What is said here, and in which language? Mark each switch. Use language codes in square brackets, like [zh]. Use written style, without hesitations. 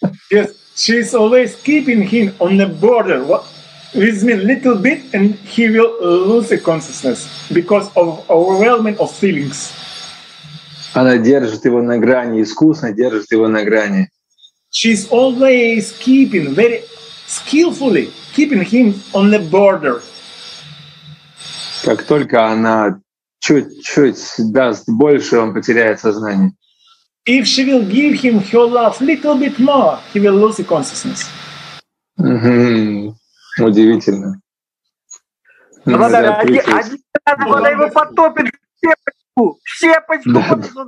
[en] Yes, she is always keeping him on the border. What? With me a little bit, and he will lose the consciousness because of overwhelming of feelings. [ru] Она держит его на грани, искусно держит его на грани. [en] She's always keeping, very skillfully, keeping him on the border. [ru] Как только она чуть-чуть даст больше, он потеряет сознание. [en] If she will give him her love a little bit more, he will lose the consciousness. [ru] Mm-hmm. Удивительно. Она его потопит в щепочку. Да.